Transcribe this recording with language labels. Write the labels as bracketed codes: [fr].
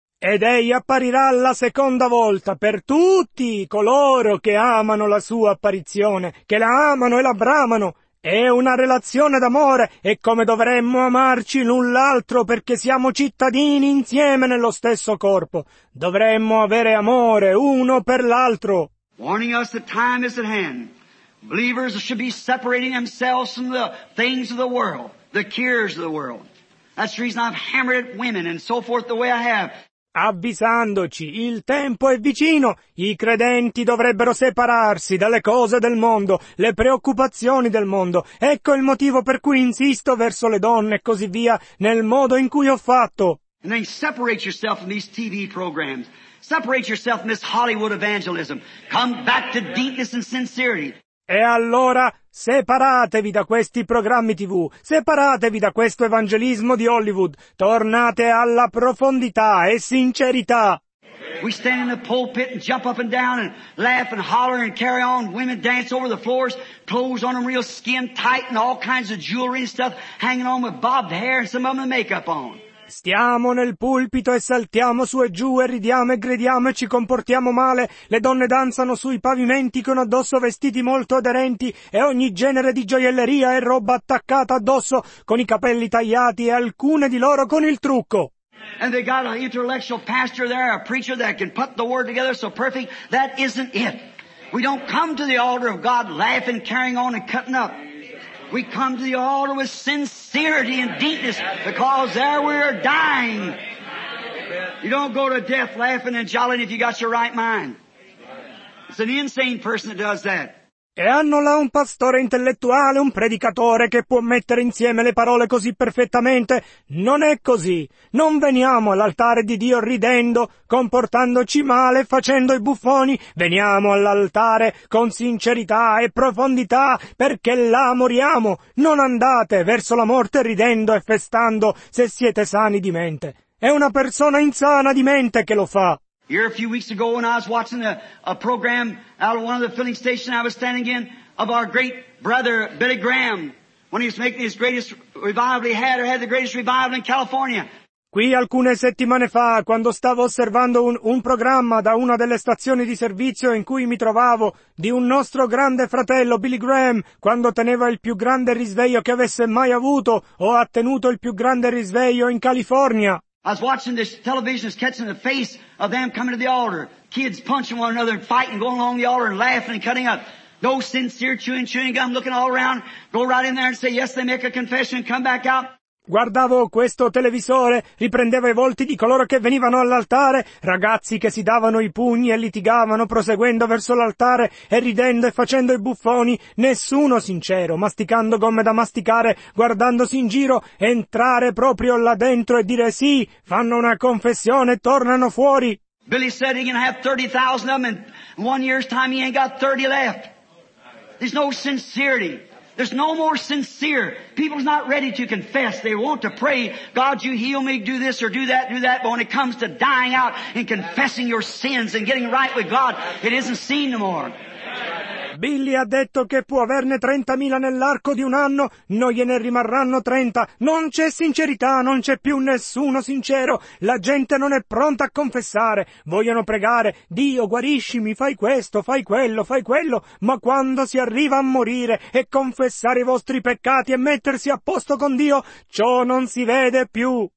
[it] Ed egli apparirà la seconda volta per tutti coloro che amano la sua apparizione, che la amano e la bramano. È una relazione d'amore, è come dovremmo amarci l'un l'altro perché siamo cittadini insieme nello stesso corpo. Dovremmo avere amore uno per l'altro. [en] Warning us that time is at hand. Believers should be separating themselves from the things of the world, the cares of the world. That's the reason I've hammered at women and so forth the way I have. [it] Avvisandoci, il tempo è vicino, i credenti dovrebbero separarsi dalle cose del mondo, le preoccupazioni del mondo. Ecco il motivo per cui insisto verso le donne e così via, nel modo in cui ho fatto. [en] And then separate yourself from these TV programs. Separate yourself from this Hollywood evangelism. Come back to deepness and sincerity. [it] E allora separatevi da questi programmi TV, separatevi da questo evangelismo di Hollywood, tornate alla profondità e sincerità. [en] We stand in the pulpit and jump up and down and laugh and holler and carry on. Women dance over the floors, clothes on them real skin tight and all kinds of jewelry and stuff hanging on with bobbed hair and some of them makeup on. [it] Stiamo nel pulpito e saltiamo su e giù e ridiamo e gridiamo e ci comportiamo male. Le donne danzano sui pavimenti con addosso vestiti molto aderenti e ogni genere di gioielleria e roba attaccata addosso, con i capelli tagliati e alcune di loro con il trucco. [en] And they got an intellectual pastor there, a preacher that can put the word together so perfect. That isn't it. We don't come to the altar of God laughing, carrying on and cutting up. We come to the altar with sincerity and deepness, because there we are dying. You don't go to death laughing and jollying if you got your right mind. It's an insane person that does that. [it] E hanno là un pastore intellettuale, un predicatore che può mettere insieme le parole così perfettamente. Non è così. Non veniamo all'altare di Dio ridendo, comportandoci male, facendo i buffoni. Veniamo all'altare con sincerità e profondità, perché là moriamo. Non andate verso la morte ridendo e festando se siete sani di mente. È una persona insana di mente che lo fa. [en] Here a few weeks ago when I was watching a program out of one of the filling stations I was standing in of our great brother Billy Graham when he was making his greatest revival he had the greatest revival in California. [it] Qui alcune settimane fa, quando stavo osservando un programma da una delle stazioni di servizio in cui mi trovavo, di un nostro grande fratello Billy Graham, quando teneva il più grande risveglio che avesse mai avuto o ha tenuto il più grande risveglio in California. [en] I was watching this television, was catching the face of them coming to the altar. Kids punching one another and fighting, going along the altar and laughing and cutting up. No sincere chewing gum, looking all around, go right in there and say yes, they make a confession and come back out. [it] Guardavo questo televisore, riprendeva i volti di coloro che venivano all'altare, ragazzi che si davano i pugni e litigavano proseguendo verso l'altare e ridendo e facendo i buffoni, nessuno sincero, masticando gomme da masticare, guardandosi in giro, entrare proprio là dentro e dire sì, fanno una confessione e tornano fuori. [en] Billy said he can have 30,000 of them and in 1 year's time he ain't got 30 left. There's no sincerity. There's no more sincere. People's not ready to confess. They want to pray, God, you heal me, do this or do that. But when it comes to dying out and confessing your sins and getting right with God, it isn't seen no more. [it] Billy ha detto che può averne 30,000 nell'arco di un anno, non gliene rimarranno 30. Non c'è sincerità, non c'è più nessuno sincero. La gente non è pronta a confessare. Vogliono pregare, Dio guariscimi, fai questo, fai quello, ma quando si arriva a morire e confessare i vostri peccati e mettersi a posto con Dio, ciò non si vede più.